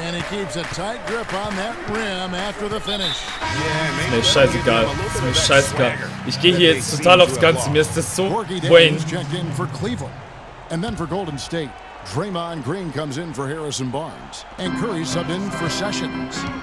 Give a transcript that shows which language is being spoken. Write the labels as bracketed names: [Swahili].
[English] And he keeps a tight grip on that rim after the finish. Yeah, man. [German] Ist mir scheißegal. Ist mir scheißegal. Ich gehe hier jetzt total aufs Ganze. Mir ist das so Wayne. [English] Checked in for Cleveland. And then for Golden State. Draymond Green comes in for Harrison Barnes. And Curry subbed in for Sessions.